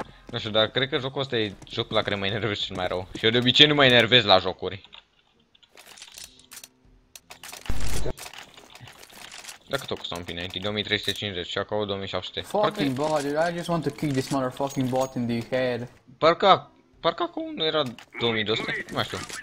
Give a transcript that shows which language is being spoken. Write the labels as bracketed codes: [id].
[ro] Nu știu, dar cred că jocul ăsta e jocul la care mă enervez cel mai rău. Și eu de obicei nu mă enervez la jocuri. Dacă tot costam bine, 2350 și acolo 2700. [en] Fucking bot, dude, I just want to kick this motherfucking bot in the head. [ro] Parcă acum nu era 2200, nu mai știu.